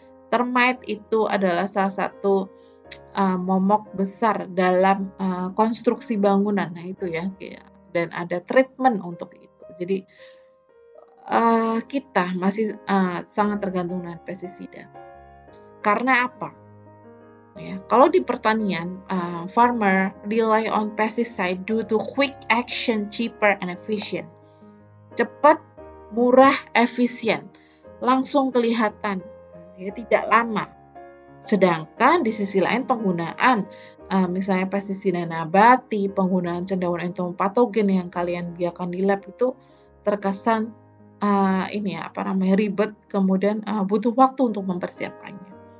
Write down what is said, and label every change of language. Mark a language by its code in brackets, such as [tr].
[id] Termite itu adalah salah satu momok besar dalam konstruksi bangunan. Nah itu ya. Dan ada treatment untuk itu. Jadi kita masih sangat tergantung dengan pestisida. Karena apa? Ya, kalau di pertanian, [en] farmer rely on pesticide due to quick action, cheaper and efficient. [id] Cepat, murah, efisien. Langsung kelihatan, ya, tidak lama. Sedangkan di sisi lain penggunaan misalnya pestisida nabati, penggunaan cendawan entomopatogen yang kalian biarkan di lab itu terkesan ini ya, apa namanya, ribet, kemudian butuh waktu untuk mempersiapkannya.